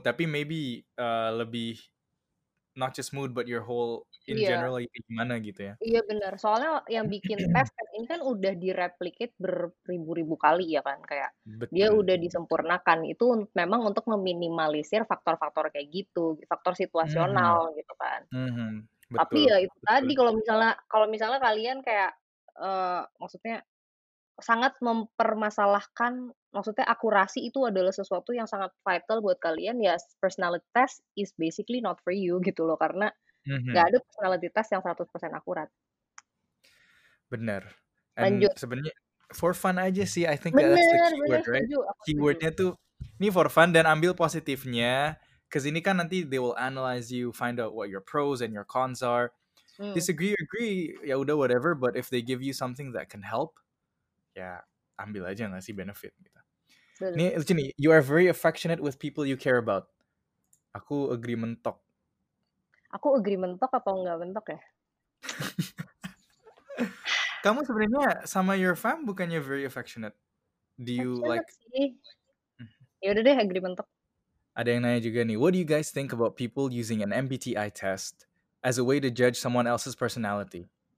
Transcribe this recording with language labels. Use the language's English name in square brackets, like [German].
[English] Tapi maybe lebih not just mood but your whole in yeah. [Indonesian] general like, gimana gitu ya. Iya benar. Soalnya yang bikin tes ini kan udah direplicate beribu-ribu kali ya kan. Kayak betul. Dia udah disempurnakan. Itu memang untuk meminimalisir faktor-faktor kayak gitu. Faktor situasional gitu kan. Betul. Tapi ya itu betul. Tadi kalau misalnya kalian kayak maksudnya sangat mempermasalahkan, maksudnya akurasi itu adalah sesuatu yang sangat vital buat kalian, ya [English] personality test is basically not for you [Indonesian] gitu loh, karena gak ada personality test yang 100% akurat. Bener. And lanjut. Sebenarnya for fun aja sih, [English] I think [Indonesian] bener, [English] that's the keyword, [Indonesian] bener, [English] right? Keywordnya tuh, ini for fun [Indonesian] dan ambil positifnya, [English] because ini kan nanti they will analyze you, find out what your pros and your cons are. Disagree, agree, ya udah whatever, but if they give you something that can help, [Indonesian] ya ambil aja ngasih benefit gitu. [English] Ini you are very affectionate with people you care about. [Indonesian] Aku agree mentok. Aku agree mentok atau enggak mentok ya? Kamu sebenarnya sama your fam bukannya very affectionate. [English] Do you [Indonesian] affectionate like? Ya udah deh agree mentok. [English] Ada yang nanya juga nih, what do you guys think about people using an MBTI test as a way to judge someone else's personality?